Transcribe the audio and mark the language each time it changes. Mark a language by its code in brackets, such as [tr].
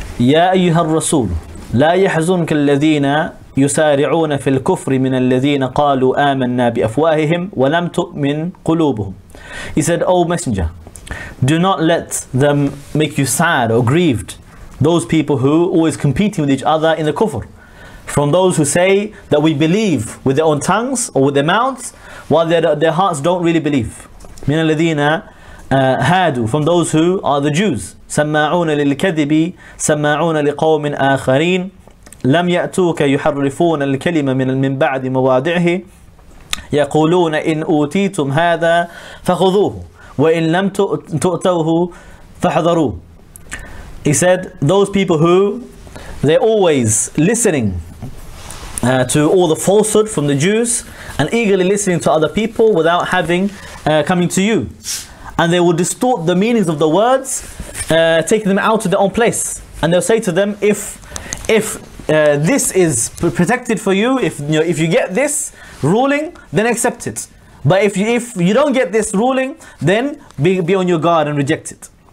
[ar] يا أيها الرسول لا يحزنك الذين يسارعون في الكفر من الذين قالوا آمنا بأفواههم ولم تؤمن قلوبهم. [en] He said, O messenger, do not let them make you sad or grieved, those people who always competing with each other in the kufr, from those who say that we believe with their own tongues or with their mouths, while their hearts don't really believe. [ar] من الذين هادوا, [en] from those who are the Jews. [ar] سماعون للكذب سماعون لقوم آخرين لم يأتوك يحرفون الكلمة من بعد مواضعه يقولون إن أوتيتم هذا فخذوه وإن لم تؤتوه فاحذروه. [en] He said, those people who they're always listening to all the falsehood from the Jews and eagerly listening to other people without having coming to you, and they will distort the meanings of the words, take them out of their own place, and they'll say to them, if this is protected for you, if you get this ruling, then accept it, but if you don't get this ruling, then be on your guard and reject it.